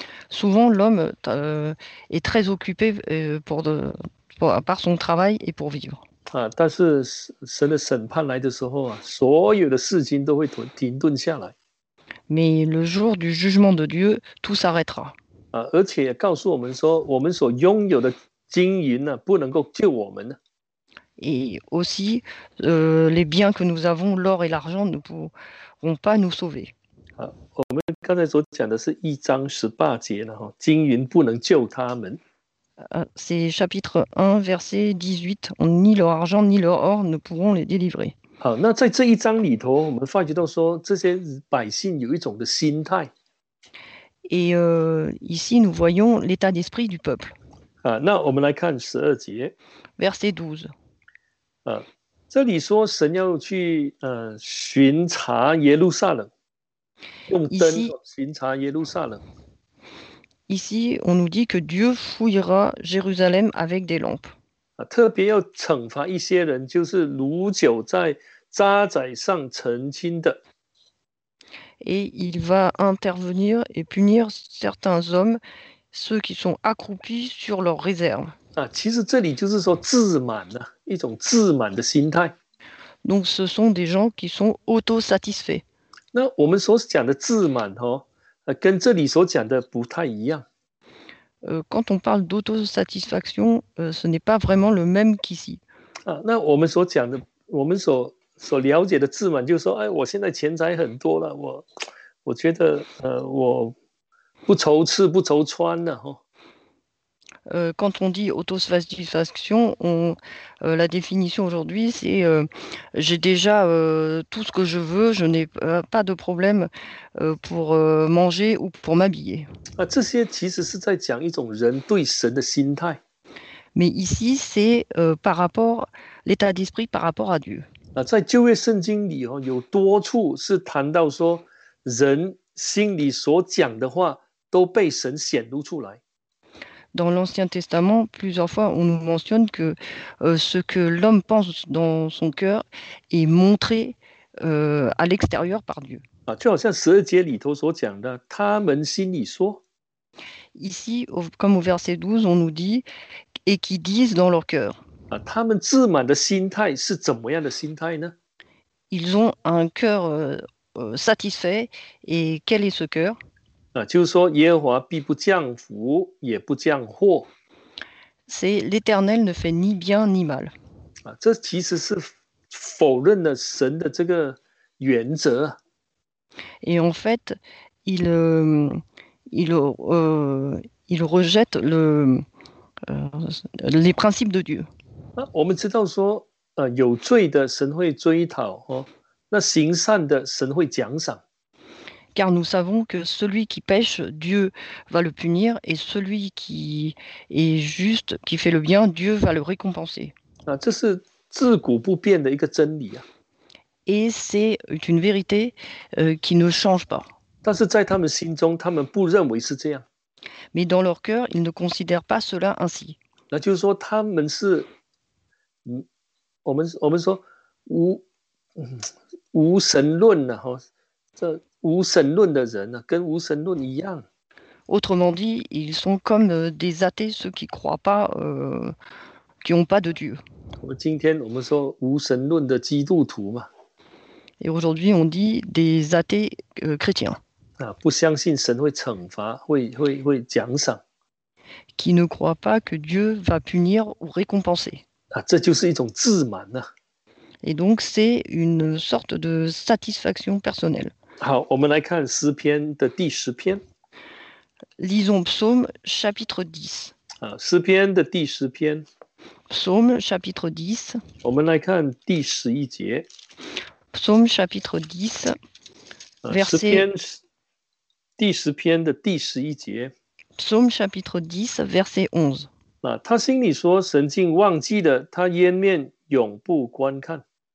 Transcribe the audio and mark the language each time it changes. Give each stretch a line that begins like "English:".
French: Souvent, l'homme est très occupé par son travail et pour vivre.
Chinese: 啊，但是神的审判来的时候啊，所有的事情都会停顿下来。
French: Mais le jour du jugement de Dieu, tout s'arrêtera.
Chinese: 啊，而且告诉我们说，我们所拥有的经营呢，不能够救我们呢。
French: Et aussi, les biens que nous avons, l'or et l'argent, ne pourront pas nous sauver.
Chinese: 啊，我们刚才所讲的是一章十八节呢，哈，金银不能救他们。
French: C'est chapitre 1, verset 18. Ni leur argent ni leur or ne pourront les délivrer.
Chinese: 好，那在这一章里头，我们发觉到说，这些百姓有一种的心态。
French: Et ici, nous voyons l'état d'esprit du peuple.
Chinese: 啊，那我们来看十二节。
French: Verset 12.
Chinese: 啊，这里说神要去巡查耶路撒冷，用灯巡查耶路撒冷。
French: Ici, on nous dit que Dieu fouillera Jérusalem avec des lampes.
Chinese: 啊，特别要惩罚一些人，就是掳酒在扎宰上成亲的。
French: Et il va intervenir et punir certains hommes, ceux qui sont accroupis sur leurs réserves.
Chinese: 啊，其实这里就是说自满呐，一种自满的心态。
French: Donc, ce sont des gens qui sont auto-satisfaits.
Chinese: 那我们所讲的自满哦。跟这里所讲的不太一样。
French: Quand on parle d'autosatisfaction, ce n'est pas vraiment le même qu'ici.
Chinese: 啊，那我们所讲的，我们所了解的自满，就是说，哎，我现在钱财很多了，我觉得，我不愁吃不愁穿了，哈。
French: Quand on dit autosatisfaction, la définition aujourd'hui, c'est j'ai déjà tout ce que je veux, je n'ai pas de problème pour manger ou pour m'habiller.
Chinese: 啊，这些其实是在讲一种人对神的心态。
French: Mais ici, c'est par rapport l'état d'esprit par rapport à Dieu.
Chinese: 啊，在旧约圣经里哦，有多处是谈到说人心里所讲的话都被神显露出来。
French: Dans l'Ancien Testament, plusieurs fois, on nous mentionne que ce que l'homme pense dans son cœur est montré à l'extérieur par Dieu.
Chinese: 啊，就好像十二节里头所讲的，他们心里说。
French: Ici, comme au verset 12, on nous dit et qui disent dans leur cœur.
Chinese: 啊，他们自满的心态是怎么样的心态呢？
French: Ils ont un cœur satisfait et quel est ce cœur？
Chinese: 啊，就是说耶和华必不降福，也不降祸。
French: C'est l'Éternel ne fait ni bien ni mal。
Chinese: 啊，这其实是否认了神的这个原则。
French: Et en fait, il rejette les principes de Dieu。
Chinese: 啊，我们知道说，有罪的神会追讨哦，那行善的神会奖赏。
French: Car nous savons que celui qui pêche, Dieu va le punir, et celui qui est juste, qui fait le bien, Dieu va le récompenser.
Chinese: 啊，这是自古不变的一个真理啊。
French: Et c'est une vérité qui ne change pas.
Chinese: 但是在他们心中，他们不认为是这样。
French: Mais dans leur cœur, ils ne considèrent pas cela ainsi.
Chinese: 那就是说，他们是，我们说无神论呢，哈，这。无神论的人呢、啊，跟无神论一样。
French: Autrement dit, ils sont comme des athées, ceux qui croient pas, qui ont pas de Dieu.
Chinese: 今天我们说无神论的基督徒嘛。
French: Et aujourd'hui, on dit des athées chrétiens.
Chinese: 不相信神会惩罚，会奖赏，
French: qui ne croient pas que Dieu va punir ou récompenser.
Chinese: 啊，这就是一种自满呐。
French: Et donc, c'est une sorte de satisfaction personnelle.
Chinese: 好，我们来看诗篇的第十篇。
French: Lisons Psaume chapitre 10.
Chinese: 啊，诗篇的第十篇。
French: Psaume chapitre 10.
Chinese: 我们来看第十一节。
French: Psaume chapitre 10, verset
Chinese: 10. 第十篇的第十一节。
French: Psaume chapitre 10, verset 11.
Chinese: 啊，他心里说：“神竟忘记了他颜面，永不观看。”